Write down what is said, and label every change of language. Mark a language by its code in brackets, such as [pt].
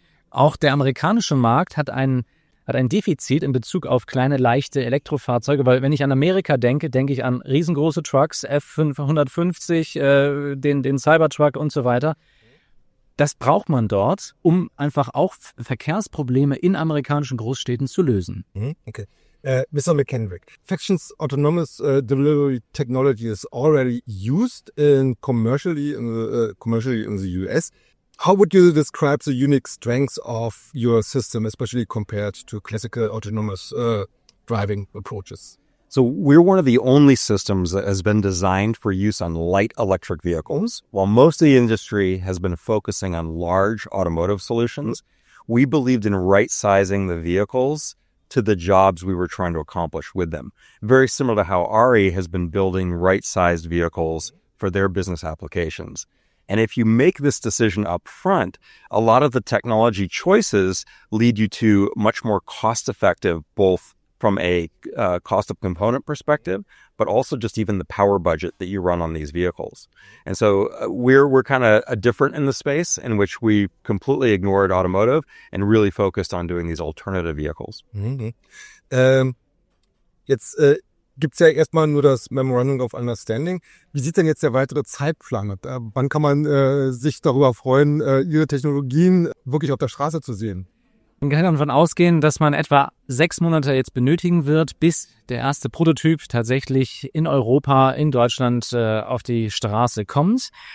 [de] Auch der amerikanische Markt hat ein Defizit in Bezug auf kleine, leichte Elektrofahrzeuge, weil wenn ich an Amerika denke, denke ich an riesengroße Trucks, F-150, den Cybertruck und so weiter. Das braucht man dort, um einfach auch Verkehrsprobleme in amerikanischen Großstädten zu lösen. Okay. Mr. [en] McKendrick, Faction's autonomous delivery technology is already used commercially in the US. How would you describe the unique strengths of your system, especially compared to classical autonomous driving approaches? So we're one of the only systems that has been designed for use on light electric vehicles. While most of the industry has been focusing on large automotive solutions, we believed in right-sizing the vehicles to the jobs we were trying to accomplish with them. Very similar to how Ari has been building right-sized vehicles for their business applications. And if you make this decision up front, a lot of the technology choices lead you to much more cost-effective, both from a cost of component perspective, but also just even the power budget that you run on these vehicles. And so we're kind of different in the space in which we completely ignored automotive and really focused on doing these alternative vehicles. Mm-hmm. [de] Jetzt gibt es ja erstmal nur das Memorandum of Understanding. Wie sieht denn jetzt der weitere Zeitplan? Wann kann man sich darüber freuen, Ihre Technologien wirklich auf der Straße zu sehen? Man kann davon ausgehen, dass man etwa 6 Monate jetzt benötigen wird, bis der erste Prototyp tatsächlich in Europa, in Deutschland auf die Straße kommt.